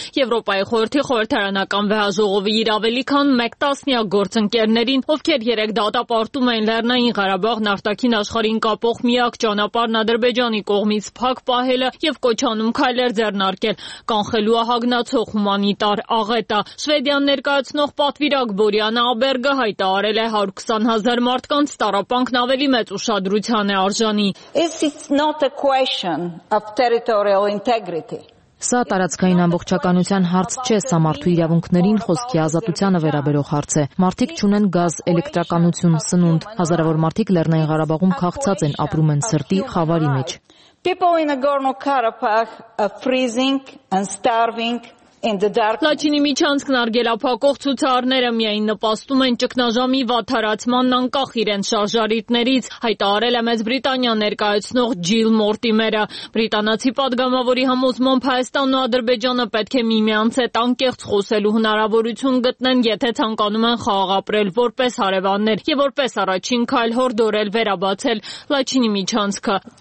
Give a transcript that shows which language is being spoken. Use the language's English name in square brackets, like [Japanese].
[Armenian] Եվրոպայի խորհրդի խորհրդարանական վեհաժողովի իր ավելի քան 1/10 գործընկերներին, ովքեր երեկ դատապարտում են Լեռնային Ղարաբաղ նարտակին աշխարհին կապող միակ ճանապարհն ադրբեջանի կողմից փակ պահելը և կոչանում քայլեր ձեռնարկել, կանխելու ահագնացող հումանիտար աղետը։ Շվեդիան ներկայացնող պատվիրակ Բորիանա Աբերգը հայտարարել է 20,000 մարդկանց տարապանքն ավելի մեծ ուշադրության է արժանի։ [English] It's not a question of territorial integrity. [Armenian] Սա տարածքային ամբողջականության հարց չէ, սա մարդու իրավունքներին խոսքի ազատությանը վերաբերող հարց է։ Մարդիկ չունեն գազ, էլեկտրականություն, սնունդ, հազարավոր մարդիկ Լեռնային Ղարաբաղում քաղցած են, ապրում են սրտի խավարի մեջ։ [English] People in Nagorno-Karabakh are freezing and starving [Armenian] Լաչինի միջանցքն արգելափակող ցուցարները միայն նպաստում են ճգնաժամի վատարացմանն անկախ իրենց շարժարիտներից, հայտարարել է մեզ Բրիտանիա ներկայացնող Ջիլ Մորտիմերը։ Բրիտանացի պատգամավորի համոզմամբ Հայաստանն ու Ադրբեջանը պետք է միմյանց հետ անկեղծ խոսելու հնարավորություն գտնեն, եթե ցանկանում են խաղաղ ապրել որպես հարևաններ և որպես առաջին քայլ հորդորել վերաբացել Լաչինի միջանցքը։